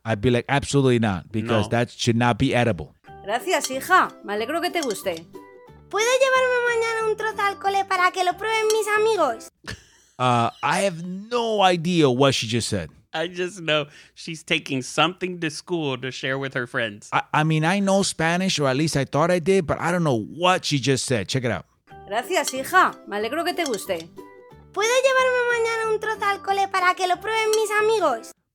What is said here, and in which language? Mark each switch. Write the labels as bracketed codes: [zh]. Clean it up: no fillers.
[en] I'd be like, absolutely not, because that should not be edible. [es] Gracias, hija. Me alegro que te guste. ¿Puedo llevarme mañana un trozo al cole para que lo prueben mis amigos? [en] I have no idea what she just said. I just know she's taking something to school to share with her friends. I mean, I know Spanish, or at least I thought I did, but I don't know what she just said. Check it out. [es] Gracias, hija. Me alegro que te guste. ¿Puedo llevarme mañana un trozo al cole para que lo prueben mis amigos?